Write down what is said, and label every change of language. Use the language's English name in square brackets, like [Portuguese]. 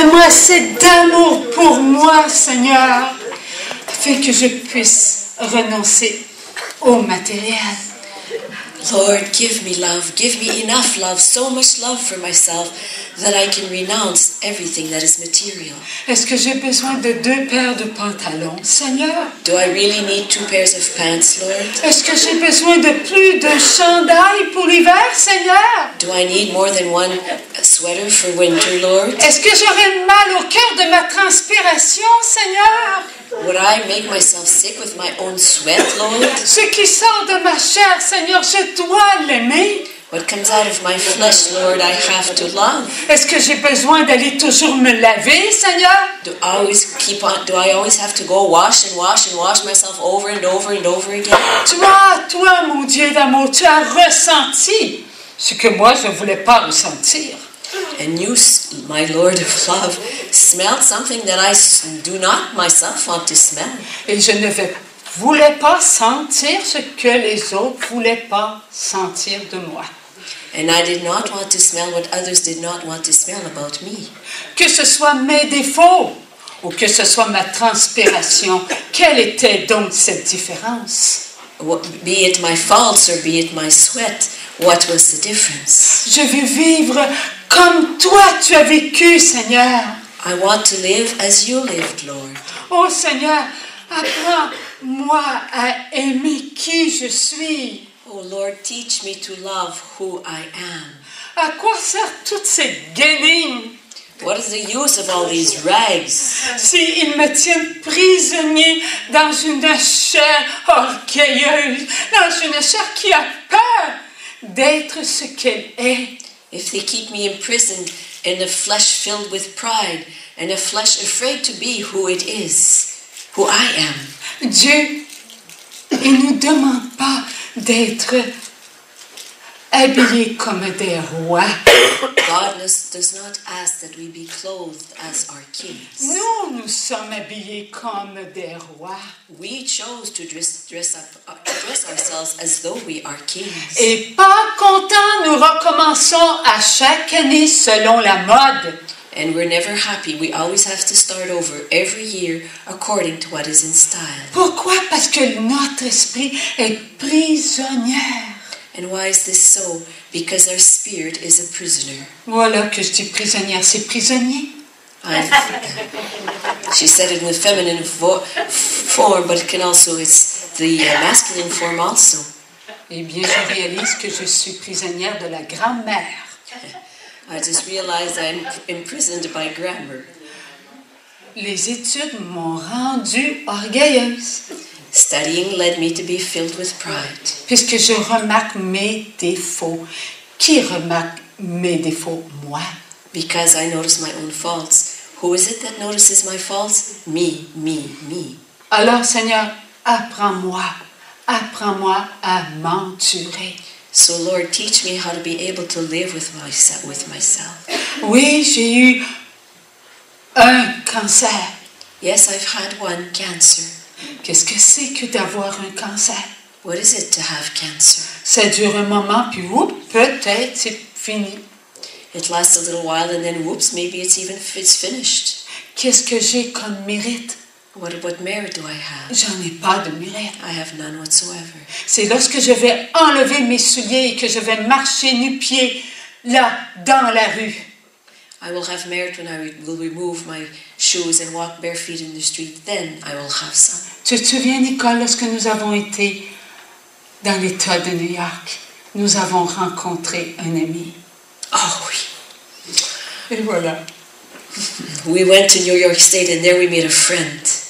[French] assez d'amour pour moi, Seigneur, afin que je puisse renoncer au matériel. [English] Lord, give me love. Give me enough love, so much love for myself, that I can renounce everything that is material. [French] Est-ce que j'ai besoin de deux paires de pantalons, Seigneur? [English] Do I really need two pairs of pants, Lord? [French] Est-ce que j'ai besoin de plus d'un chandail pour l'hiver, Seigneur? [English] Do I need more than one sweater for winter, Lord? [French] Est-ce que j'aurai mal au cœur de ma transpiration, Seigneur? [English] Would I make myself sick with my own sweat, Lord? [French] Ce qui sort de ma chair, Seigneur, je dois l'aimer. [English] What comes out of my flesh, Lord, I have to love. [French] Est-ce que j'ai besoin d'aller toujours me laver, Seigneur? [English] Do I always have to go wash and wash and wash myself over and over and over again? [French] Toi, mon Dieu d'amour, tu as ressenti ce que moi je ne voulais pas ressentir. [English] And you, my Lord of love, smelled something that I do not myself want to smell. [French] Et je ne voulais pas sentir ce que les autres voulaient pas sentir de moi. [English] And I did not want to smell what others did not want to smell about me. [French] Que ce soit mes défauts ou que ce soit ma transpiration, quelle était donc cette différence? [English] Be it my faults or be it my sweat, what was the difference? [French] Je veux vivre comme toi tu as vécu, Seigneur. [English] I want to live as you lived, Lord. [French] Oh Seigneur, apprends-moi à aimer qui je suis. [English] Oh Lord, teach me to love who I am. [French] À quoi sert toutes ces guenilles? [English] What is the use of all these rags? [French] Si ils me tiennent prisonnier dans une chair orgueilleuse, dans une chair qui a peur d'être ce qu'elle est. [English] If they keep me imprisoned in a flesh filled with pride and a flesh afraid to be who it is, who I am. [French] Dieu, il ne nous demande pas d'être habillés comme des rois. [English] God does not ask that we be clothed as our kings. [French] Nous, nous sommes habillés comme des rois. [English] We chose to dress ourselves as though we are kings. [French] Et pas contents, nous recommençons à chaque année selon la mode. [English] And we're never happy. We always have to start over every year according to what is in style. [French] Pourquoi? Parce que notre esprit est prisonnier. [English] And why is this so? Because our spirit is a prisoner. [French] Voilà que je dis prisonnière, c'est prisonnier. [English] She said it in the feminine form, but it can also, it's the masculine form also. [French] Eh bien, je réalise que je suis prisonnière de la grammaire. [English] I just realized I'm imprisoned by grammar. [French] Les études m'ont rendue orgueilleuse. [English] Studying led me to be filled with pride. [French] Puisque je remarque mes défauts, qui remarque mes défauts? Moi. [English] Because I notice my own faults. Who is it that notices my faults? Me, me, me. [French] Alors, Seigneur, apprends-moi. Apprends-moi à m'endurer. [English] So, Lord, teach me how to be able to live with myself. [French] Oui, j'ai eu un cancer. [English] Yes, I've had one cancer. [French] Qu'est-ce que c'est que d'avoir un cancer? [English] What is it to have cancer? [French] Ça dure un moment, puis whoop, peut-être c'est fini. [English] It lasts a little while, and then whoops, maybe it's finished. [French] Qu'est-ce que j'ai comme mérite? [English] What merit do I have? [French] J'en ai pas de mérite. [English] I have none whatsoever. [French] C'est lorsque je vais enlever mes souliers et que je vais marcher nu-pieds, là, dans la rue. [English] I will have merit when I will remove my shoes and walk bare feet in the street. Then I will have some. [French] Tu te souviens, Nicole, lorsque nous avons été dans l'État de New York, nous avons rencontré un ami. Oh oui. Et voilà. [English] We went to New York State and there we made a friend.